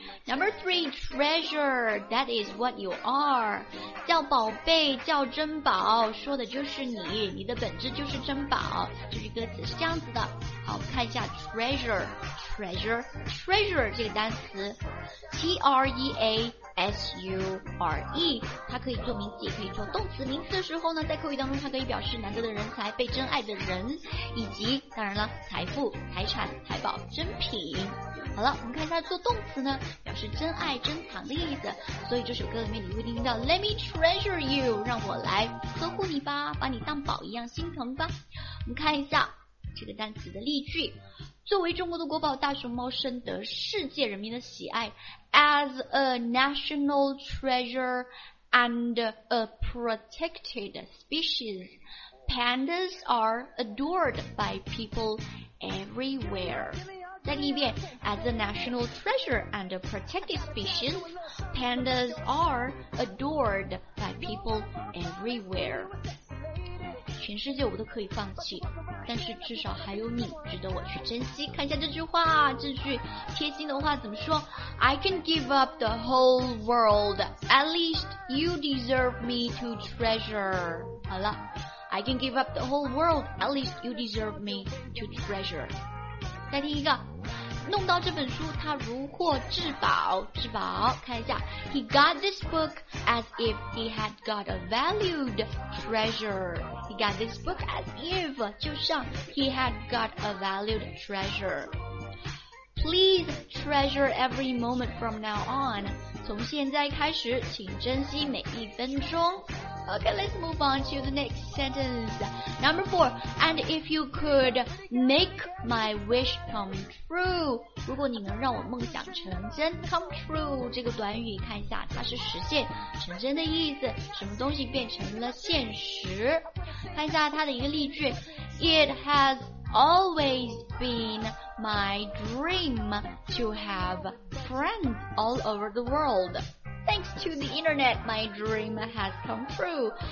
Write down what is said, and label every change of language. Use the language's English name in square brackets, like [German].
[English] Number three, treasure, that is what you are. [Chinese] 叫宝贝，叫珍宝，说的就是你，你的本质就是珍宝。这句歌词是这样子的。好，看一下 treasure, treasure, treasure 这个单词 T-R-E-A-S-U-R-E， 它可以做名词也可以做动词。名词的时候呢，在口语当中它可以表示难得的人才，被珍爱的人，以及当然了财富财产财宝珍品。好了，我们看一下做动词呢，表示珍爱珍藏的意思。所以这首歌里面你会听到 [English] Let me treasure you， [Chinese] 让我来呵护你吧，把你当宝一样心疼吧。我们看一下这个单词的例句。作为中国的国宝，大熊猫深得世界人民的喜爱。 [English] As a national treasure and a protected species, pandas are adored by people everywhere. [Chinese] 再听一遍。 [English] As a national treasure and a protected species, pandas are adored by people everywhere. [Chinese] 全世界我都可以放弃，但是至少还有你值得我去珍惜。看一下这句话，这句贴心的话怎么说？ [English] I can give up the whole world, at least you deserve me to treasure. 好了， I can give up the whole world, at least you deserve me to treasure. [Chinese] 再听一个，弄到这本书他如获至宝，至宝，看一下， [English] He got this book as if he had got a valued treasure. He got this book as if, [Chinese] 就像 [English] he had got a valued treasure. Please treasure every moment from now on. [Chinese] 从现在开始请珍惜每一分钟。 [English] Okay, let's move on to the next sentence. Number 4. And if you could make my wish come true. [Chinese] 如果你能让我梦想成真， come true 这个短语看一下，它是实现成真的意思，什么东西变成了现实。看一下它的一个例句， [English] It has always been my dream to have friends all over the world. Thanks to the internet, my dream has come true.